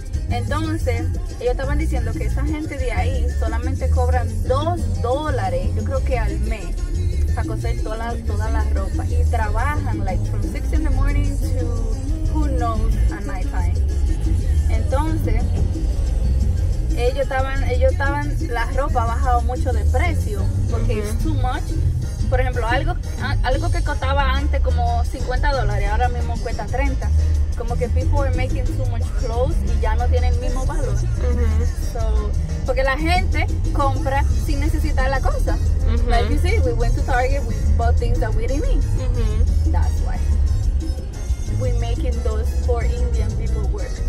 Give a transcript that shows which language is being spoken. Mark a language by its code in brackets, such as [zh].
[es] Entonces, ellos estaban diciendo que esa gente de ahí solamente cobran $2, yo creo que al mes, para coser toda la ropa. Y trabajan, [en] like, from 6 in the morning to, who knows, a night time. [es] Entonces, ellos estaban, la ropa ha bajado mucho de precio, porque [en] it's too much [es] por ejemplo, algo que costaba antes como $50, ahora mismo cuesta 30. Como que [en] people are making too much clothes [es] y ya no tienen el mismo valor. So, porque la gente compra sin necesitar la cosa. [en] Like you see, we went to Target, we bought things that we didn't need. That's why we making those poor Indian people work.